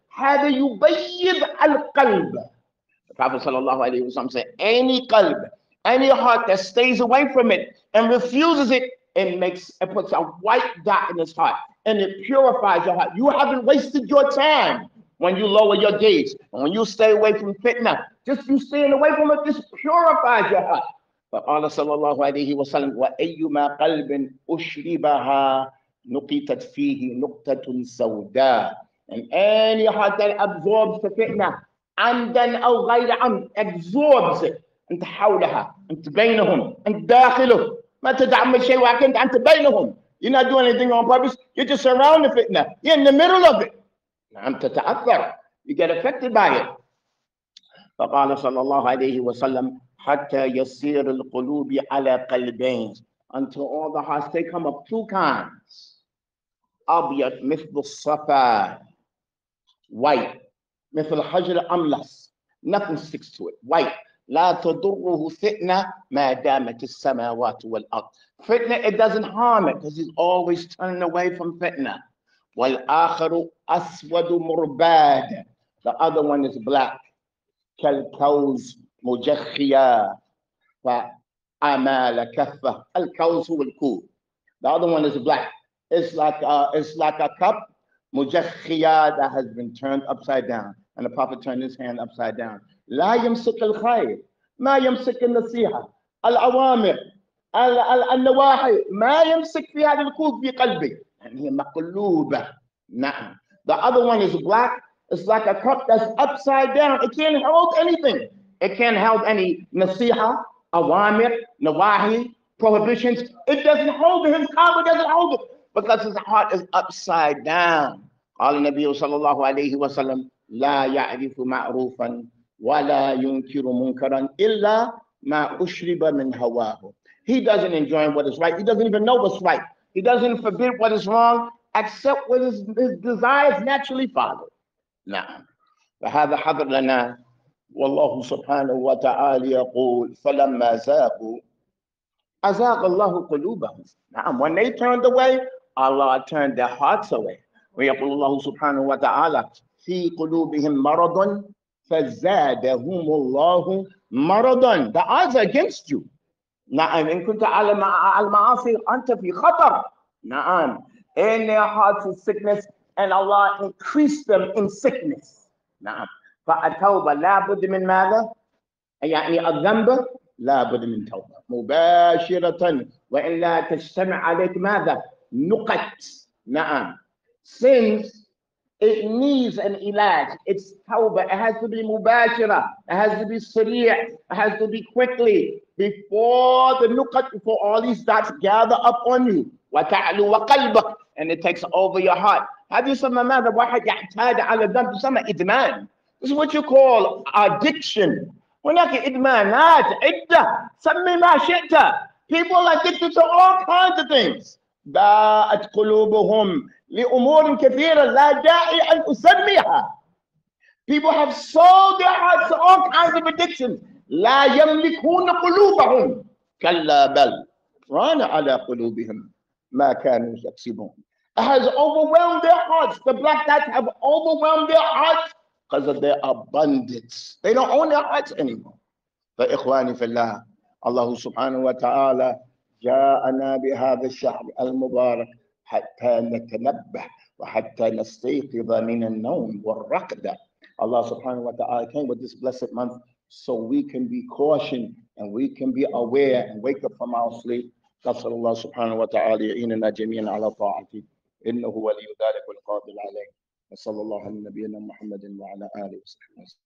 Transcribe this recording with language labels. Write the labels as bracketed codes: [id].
[ar] هذا يبيض القلب. [en] Prophet [ar] صلى الله عليه وسلم [en] said, any قلب, any heart that stays away from it and refuses it, it puts a white dot in his heart and it purifies your heart. You haven't wasted your time when you lower your gaze. And when you stay away from fitna, just you staying away from it, this purifies your heart. [ar] فقال صلى الله عليه وسلم وأيما قلب أشربها نقطت فيه نقطة سوداء. [en] And any heart that absorbs the fitna, [ar] عمداً أو غير عمد, [en] absorbs it. [ar] أنت حولها, أنت بينهم, أنت داخله. ما تدعمل شيء ولكن أنت بينهم. [en] You're not doing anything on purpose. You're just around the fitna. You're in the middle of it. [ar] نعم تتأثر. [en] You get affected by it. [ar] فقال صلى الله عليه وسلم حتى يصير القلوب على قلبين. [en] Until all the hearts become of two kinds. [ar] أبيض مثل الصفا. [en] White, [ar] مثل الحجر الأملس, [en] nothing sticks to it, white. [ar] لا تضره فتنة ما دامت السماوات والأرض. [en] Fitna, it doesn't harm it because he's always turning away from fitna. [ar] والآخر أسود مرباد. [en] The other one is black. [ar] كالكوز مجخيا فأمال كفة. الكوز هو الكوب. [en] The other one is black. It's like a cup. مُجَخِّيَا that has been turned upside down. And the Prophet turned his hand upside down. [ar] لا يمسك الخير. ما يمسك النصيحة. الأوامر. النواحي. ما يمسك في هذا الكوب في قلبي. يعني هي مقلوبة. نعم. [en] The other one is black. It's like a cup that's upside down. It can't hold anything. It can't hold any [ar] نصيحة, أوامر, نواحي, [en] prohibitions. It doesn't hold it. His cup doesn't hold it. Because his heart is upside down. [ar] قال النبي صلى الله عليه وسلم لا يعرف معروفا ولا ينكر منكرا إلا ما أشرب من هواه. [en] He doesn't enjoy what is right. He doesn't even know what's right. He doesn't forbid what is wrong except what his desires naturally follow. [ar] نعم. فهذا حضر لنا والله سبحانه وتعالى يقول فلما زاقوا أزاق الله قلوبهم. نعم. [en] When they turned away, Allah turned their hearts away. [ar] ويقول الله سبحانه وتعالى في قلوبهم مرض فزادهم الله مرضا. [en] The odds are against you. [ar] نعم. إن كنت على المعاصي أنت في خطر. نعم. [en] In their hearts is sickness and Allah increased them in sickness. [ar] نعم. فالتوبة لابد من ماذا؟ يعني الذنب لا بد من توبة مباشرة وإلا تجتمع عليك ماذا نقط. [en] نعم since it needs an علاج it's توبة it has to be مباشرة it has to be سريع it has to be quickly before the نقط before all these dots gather up on you [ar] وتعلو وقلبك [en] and it takes over your heart. [ar] هذا يسمى ماذا واحد يعتاد على الذنب يسمى إدمان. [en] This is what you call addiction. [ar] هناك إدمانات عدة سمي ما شئت. [en] People are addicted to all kinds of things. [ar] باءت قلوبهم لأمور كثيرة لا داعي أن أسميها. [en] People have sold their hearts to all kinds of addictions. [ar] لا يملكون قلوبهم. كلا بل ران على قلوبهم ما كانوا يكسبون. [en] It has overwhelmed their hearts. The black dots have overwhelmed their hearts. Because of their abundance. They don't own their hearts anymore. [ar] فإخواني في الله الله سبحانه وتعالى جاءنا بهذا الشهر المبارك حتى نتنبه وحتى نستيقظ من النوم والركضة. [en] Allah subhanahu wa ta'ala came with this blessed month so we can be cautioned and we can be aware and wake up from our sleep. [ar] نسأل الله سبحانه وتعالى يعيننا جميعا على طاعته إنه ولي ذلك والقادر عليه. وصلى الله على نبينا محمد وعلى آله وصحبه وسلم.